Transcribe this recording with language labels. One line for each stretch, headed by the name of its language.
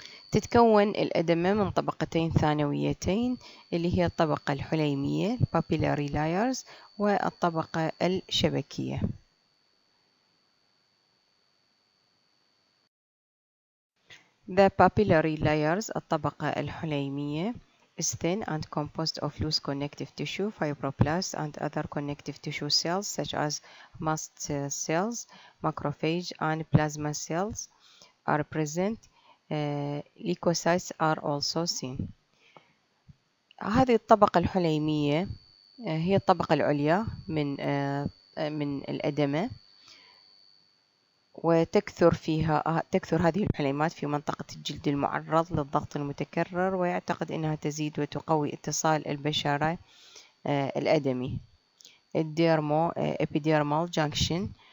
Arabic: تتكون الأدمة من طبقتين ثانويتين اللي هي الطبقة الحليمية papillary layers والطبقة الشبكية.
English: The papillary layers
Arabic: الطبقة الحليمية
English: is thin and composed of loose connective tissue, fibroblasts and other connective tissue cells such as mast cells, macrophage and plasma cells are present. Leukocytes are also seen.
Arabic: هذه الطبقة الحليمية هي الطبقة العليا من الأدمة، وتكثر فيها تكثر هذه الحليمات في منطقة الجلد المعرض للضغط المتكرر، ويعتقد أنها تزيد وتقوي اتصال البشرة الأدمي الديرمو إبيديرمال جانكشن.